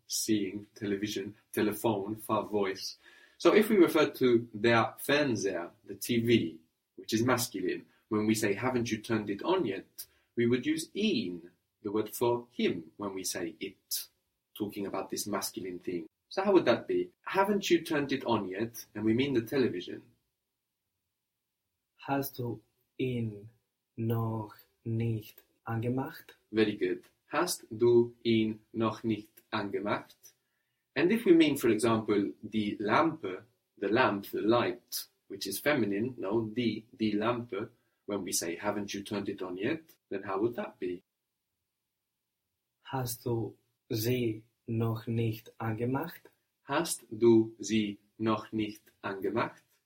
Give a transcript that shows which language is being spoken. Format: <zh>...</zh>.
<en>Seeing, television, telephone, far voice. So if we refer to der Fernseher, the TV, which is masculine, when we say, haven't you turned it on yet, we would use ihn, the word for him, when we say it, talking about this masculine thing. So how would that be? Haven't you turned it on yet? And we mean the television.</en> <de>Hast du ihn noch nicht angemacht.</de> <en>Very good.</en> <de>Hast du ihn noch nicht angemacht?</de> <en>And if we mean, for example, die Lampe, the lamp, the light, which is feminine, no, die Lampe, when we say, haven't you turned it on yet, then how would that be?</en> <de>Hast du sie noch nicht angemacht? Hast du sie noch nicht angemacht?</de>